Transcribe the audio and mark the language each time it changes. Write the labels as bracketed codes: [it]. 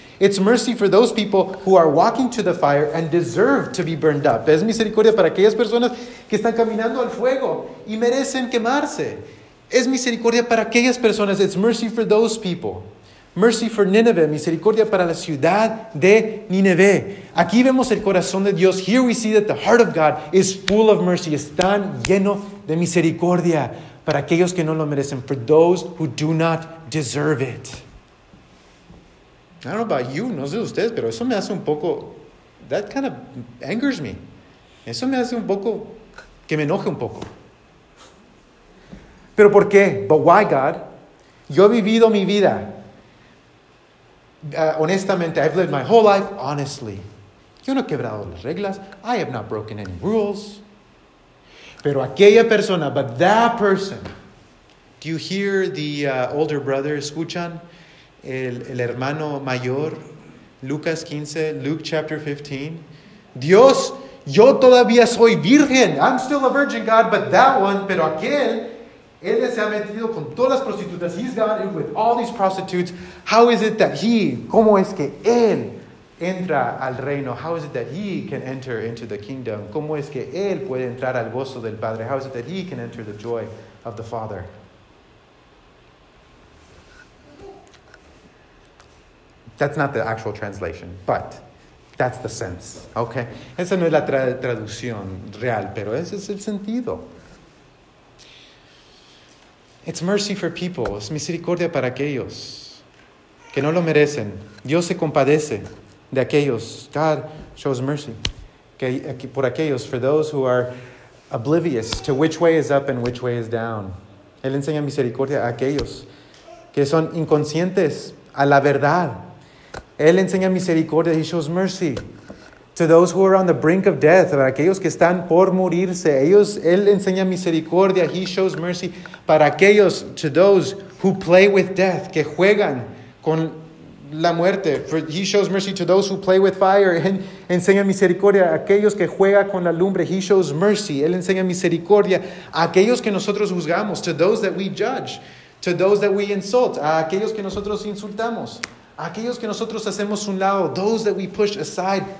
[en] It's mercy for those people who are walking to the fire and deserve to be burned up. [es] Es misericordia para aquellas personas que están caminando al fuego y merecen quemarse. Es misericordia para aquellas personas. [en] It's mercy for those people. Mercy for Nineveh. [es] Misericordia para la ciudad de Nineveh. Aquí vemos el corazón de Dios. [en] Here we see that the heart of God is full of mercy. [es] Está lleno de misericordia para aquellos que no lo merecen. [en] For those who do not deserve it. I don't know about you, [es] no sé ustedes, pero eso me hace un poco, [en] that kind of angers me. [es] Eso me hace un poco, que me enoje un poco. Pero ¿por qué? [en] But why, God? [es] Yo he vivido mi vida. [en] Honestamente, I've lived my whole life honestly. [es] Yo no he quebrado las reglas. [en] I have not broken any rules. [es] Pero aquella persona, [en] but that person. Do you hear the older brother, [es] escuchan? El hermano mayor, Lucas 15, [en] Luke chapter 15. [es] Dios, yo todavía soy virgen. [en] I'm still a virgin, God, but that one, [es] pero aquel, él se ha metido con todas las prostitutas. [en] He's gone with all these prostitutes. How is it that he, [es] cómo es que él entra al reino? [en] How is it that he can enter into the kingdom? [es] Cómo es que él puede entrar al gozo del Padre? [en] How is it that he can enter the joy of the Father? That's not the actual translation, but that's the sense, okay? [es] Esa no es la traducción real, pero ese es el sentido. [en] It's mercy for people. [es] Es misericordia para aquellos que no lo merecen. Dios se compadece de aquellos. [en] God shows mercy [es] por aquellos, [en] for those who are oblivious to which way is up and which way is down. [es] Él enseña misericordia a aquellos que son inconscientes a la verdad. Él enseña misericordia. [en] He shows mercy to those who are on the brink of death. [es] Para aquellos que están por morirse. Ellos, Él enseña misericordia. [en] He shows mercy [es] para aquellos, [en] to those who play with death, [es] que juegan con la muerte. [en] For he shows mercy to those who play with fire. [es] Él enseña misericordia a aquellos que juega con la lumbre. [en] He shows mercy. [es] Él enseña misericordia a aquellos que nosotros juzgamos. [en] To those that we judge. To those that we insult. [es] A aquellos que nosotros insultamos. A aquellos que nosotros hacemos un lado. [en] Those that we push aside.